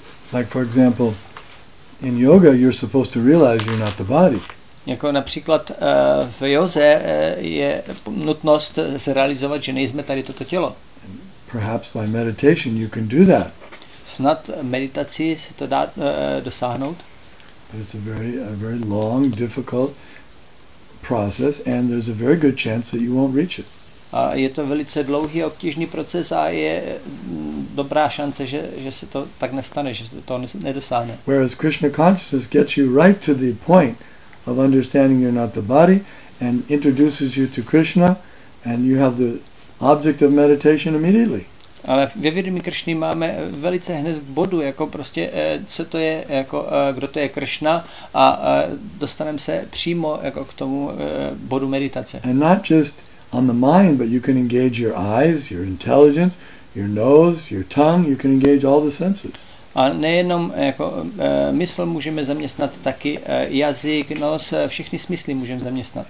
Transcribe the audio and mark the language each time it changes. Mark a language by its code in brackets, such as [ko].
[en] Like for example, in yoga you're supposed to realize you're not the body. [cs] Jako například v józe je nutnost zrealizovat, že nejsme tady toto tělo. [en] And perhaps by meditation you can do that. [cs] Snad meditací se to dá dosáhnout. [en] But it's a very long, difficult process and there's a very good chance that you won't reach it. [cs] A je to velice dlouhý a obtížný proces a je dobrá šance, že se to tak nestane, že se to nedosáhne. [en] Whereas Krishna consciousness gets you right to the point of understanding you're not the body and introduces you to Krishna and you have the object of meditation immediately. [cs] Ale ve vědomí Krishny máme velice hned bodu, jako prostě co to je, jako kdo to je Krishna a dostaneme se přímo jako k tomu bodu meditace. [en] And not just on the mind, but you can engage your eyes, your intelligence, your nose, your tongue, you can engage all the senses. [cs] A nejenom jako mysl můžeme zaměstnat, taky jazyk, nos, všechny smysly můžeme zaměstnat.